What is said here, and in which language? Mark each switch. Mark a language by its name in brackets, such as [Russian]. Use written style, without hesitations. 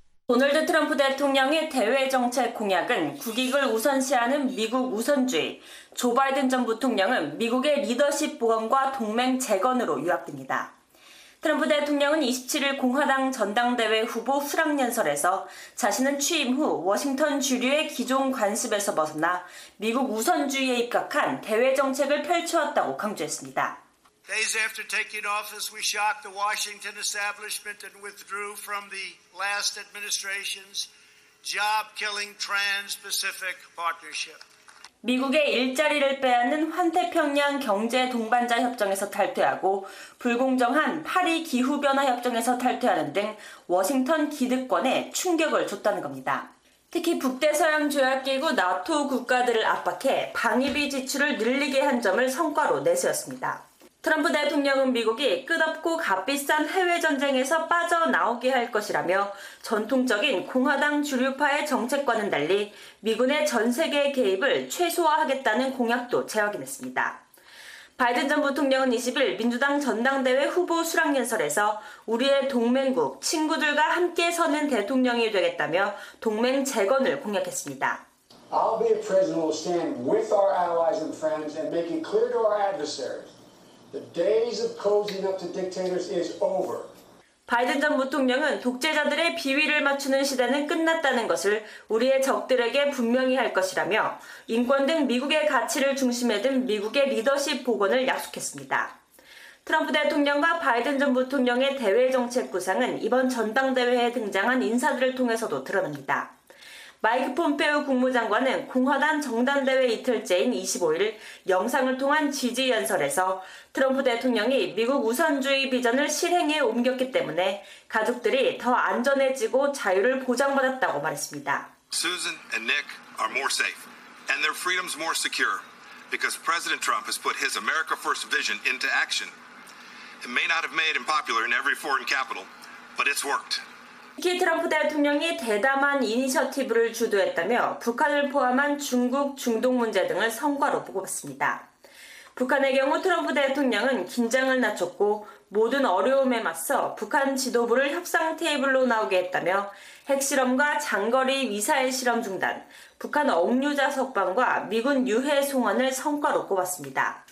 [Korean] 도널드 트럼프 대통령의 대외 정책 공약은 국익을 우선시하는 미국 우선주의, 조 바이든 전 부통령은 미국의 리더십 복원과 동맹 재건으로 요약됩니다. 트럼프 대통령은 27일 공화당 전당대회 후보 수락연설에서 자신은 취임 후 워싱턴 주류의 기존 관습에서 벗어나 미국 우선주의에 입각한 대외 정책을 펼쳐왔다고 강조했습니다. [English] Days after taking office, we shocked the Washington establishment and withdrew from the last administration's job-killing Trans-Pacific Partnership. [Korean] 미국의 일자리를 빼앗는 환태평양 경제 동반자 협정에서 탈퇴하고 불공정한 파리 기후변화 협정에서 탈퇴하는 등 워싱턴 기득권에 충격을 줬다는 겁니다. 특히 북대서양 조약기구 나토 국가들을 압박해 방위비 지출을 늘리게 한 점을 성과로 내세웠습니다. 트럼프 대통령은 미국이 끝없고 값비싼 해외전쟁에서 빠져나오게 할 것이라며 전통적인 공화당 주류파의 정책과는 달리 미군의 전 세계 개입을 최소화하겠다는 공약도 재확인했습니다. 바이든 전 부통령은 20일 민주당 전당대회 후보 수락연설에서 우리의 동맹국, 친구들과 함께 서는 대통령이 되겠다며 동맹 재건을 공약했습니다. [English] I'll be a president who will stand with our allies and friends and make it clear to our adversaries. The days of cozying up to dictators is over. [Korean] 바이든 전 부통령은 독재자들의 비위를 맞추는 시대는 끝났다는 것을 우리의 적들에게 분명히 할 것이라며 인권 등 미국의 가치를 중심에 둔 미국의 리더십 복원을 약속했습니다. 트럼프 대통령과 바이든 전 부통령의 대외 정책 구상은 이번 전당대회에 등장한 인사들을 통해서도 드러납니다. 마이크 폼페오 국무장관은 공화당 전당대회 이틀째인 25일 영상을 통한 지지 연설에서 트럼프 대통령이 미국 우선주의 비전을 실행에 옮겼기 때문에 가족들이 더 안전해지고 자유를 보장받았다고 말했습니다. [English] Susan and Nick are more safe and their freedoms more secure because President Trump has put his America First vision into action. It may not have made him popular in every foreign capital, but it's worked. [Korean] 특히 트럼프 대통령이 대담한 이니셔티브를 주도했다며 북한을 포함한 중국 중동 문제 등을 성과로 꼽았습니다. 북한의 경우 트럼프 대통령은 긴장을 낮췄고 모든 어려움에 맞서 북한 지도부를 협상 테이블로 나오게 했다며 핵실험과 장거리 미사일 실험 중단, 북한 억류자 석방과 미군 유해 송환을 성과로 꼽았습니다.